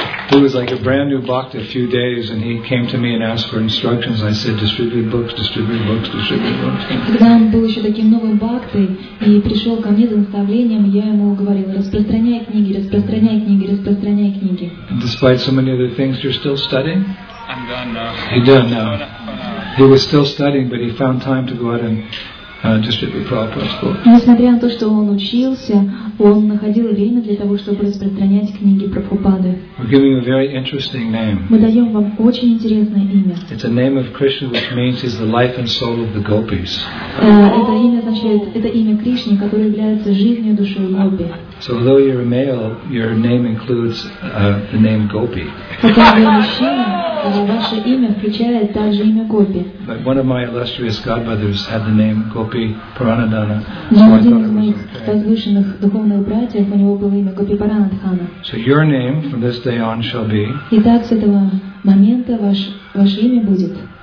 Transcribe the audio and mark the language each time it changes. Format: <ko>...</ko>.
<en>He was like a brand new bhakti a few days, and he came to me and asked for instructions. I said, distribute books, distribute books, distribute books.</en> <ru>Когда он был еще таким новым бхактой и пришел ко мне за наставлением, я ему говорила, распространяй книги, распространяй книги, распространяй книги.</ru> <en>Despite so many other things, you're still studying? I'm done now. You're done now. He was still studying, but he found time to go out and distribute Prabhupada's books.</en> <ru>Несмотря на то, что он учился, он находил время для того, чтобы распространять книги Прабхупады.</ru> <en>We're giving him a very interesting name.</en> <ru>Мы даем вам очень интересное имя.</ru> <en>It's a name of Krishna, which means he's the life and soul of the gopis.</en> <ru>Это имя Кришны, которое является жизнью и душой гопи.</ru> <en>So although you're a male, your name includes the name Gopi.</en> <ru>Ваше имя включает также имя Гопи.</ru> <en>But one of my illustrious godmothers had the name Gopi Paranadhana.</en> <ru>Возвышенных духовных братьев у него было имя Гопи Паранадхана.</ru> <en>So your name from this day on shall be.</en> <ru>Итак, с этого момента ваше имя будет</ru>